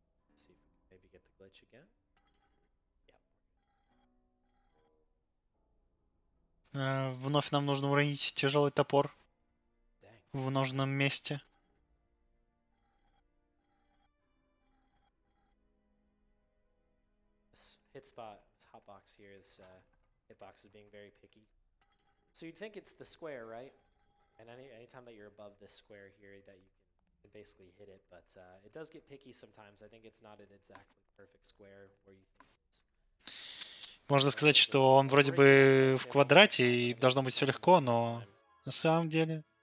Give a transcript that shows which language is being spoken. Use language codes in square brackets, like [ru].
[en] Let's see if we can maybe get the glitch again. [ru] Вновь нам нужно уронить тяжелый топор в нужном месте. [en] Hitspot, this hotbox here, this hitbox is being very picky. So you'd think it's the square, right? And any time that you're above this square here, that you can basically hit it. But it does get picky sometimes. I think it's not an exactly perfect square where you think. [ru] Можно сказать, что он вроде бы в квадрате, и должно быть все легко, но на самом деле...